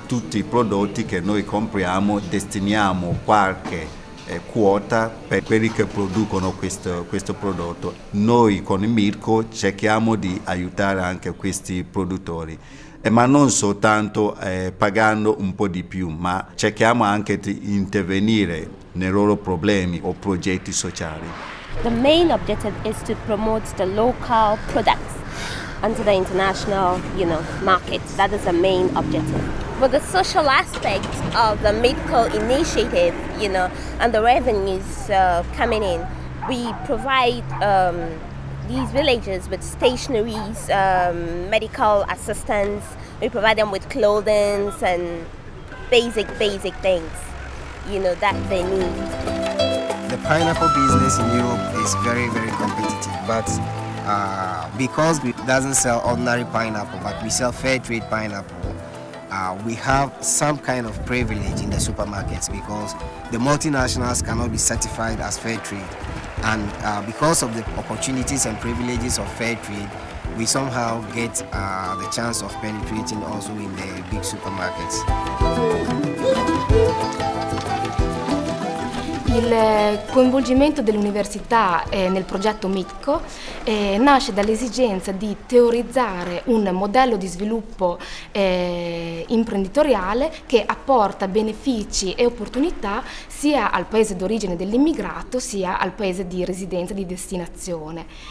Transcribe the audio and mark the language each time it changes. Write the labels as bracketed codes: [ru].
[it] Tutti i prodotti che noi compriamo destiniamo qualche quota per quelli che producono questo prodotto. Noi con MITCO cerchiamo di aiutare anche questi produttori. Ma non soltanto pagando un po' di più, ma cerchiamo anche di intervenire nei loro problemi o progetti sociali. [en] The main objective is to promote the local products onto the international, you know, market. That is the main objective. But the social aspect of the MITCO initiative, you know, and the revenues coming in, we provide these villages with stationaries, medical assistance, we provide them with clothing and basic things, you know, that they need. The pineapple business in Europe is very, very competitive, but because we doesn't sell ordinary pineapple, but we sell fair trade pineapple, we have some kind of privilege in the supermarkets because the multinationals cannot be certified as fair trade. And because of the opportunities and privileges of fair trade, we somehow get the chance of penetrating also in the big supermarkets. [it] Il coinvolgimento dell'università nel progetto MITCO nasce dall'esigenza di teorizzare un modello di sviluppo imprenditoriale che apporta benefici e opportunità sia al paese d'origine dell'immigrato sia al paese di residenza, di destinazione.